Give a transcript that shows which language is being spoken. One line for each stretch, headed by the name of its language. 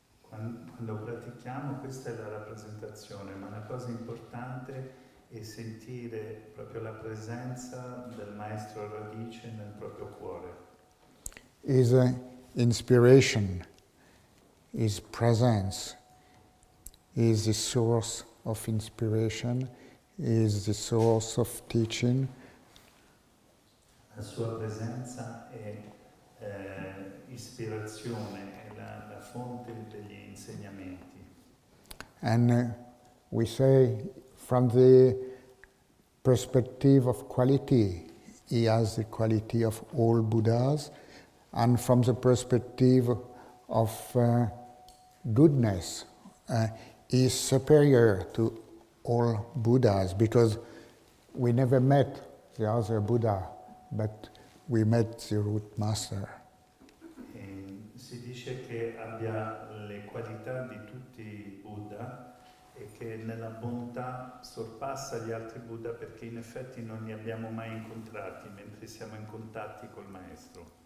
Italian: quando pratichiamo, questa è la rappresentazione, ma la cosa importante è sentire proprio la presenza del maestro radice nel proprio cuore.
English: Is an inspiration, is presence, is the source of inspiration, is the source of teaching.
Italian: La sua presenza è ispirazione, è la fonte degli insegnamenti.
English: And we say, from the perspective of quality, he has the quality of all Buddhas, and from the perspective of goodness, is superior to all Buddhas, because we never met the other Buddha, but we met the root master.
Italian: Si dice che abbia le qualità di tutti i Buddha, e che nella bontà sorpassa gli altri Buddha, perché in effetti non li abbiamo mai incontrati, mentre siamo in contatti col maestro.